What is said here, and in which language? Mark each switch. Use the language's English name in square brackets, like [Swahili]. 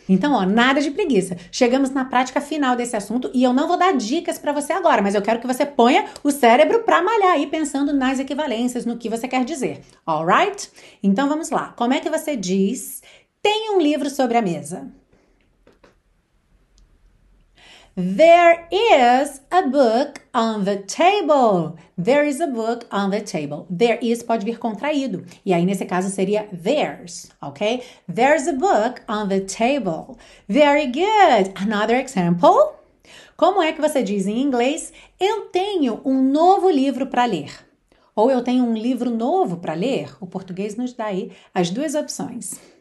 [Portuguese] Então, ó, nada de preguiça. Chegamos na prática final desse assunto. E eu não vou dar dicas para você agora, mas eu quero que você ponha o cérebro para malhar aí pensando nas equivalências, no que você quer dizer. Alright? Então vamos lá. Como é que você diz, tem um livro sobre a mesa? [English] There is a book on the table. There is a book on the table. [Portuguese] There is pode vir contraído. E aí nesse caso seria there's, ok? [English] There's a book on the table. Very good. Another example. [Portuguese] Como é que você diz em inglês, eu tenho um novo livro para ler? Ou eu tenho um livro novo para ler? O português nos dá aí as duas opções.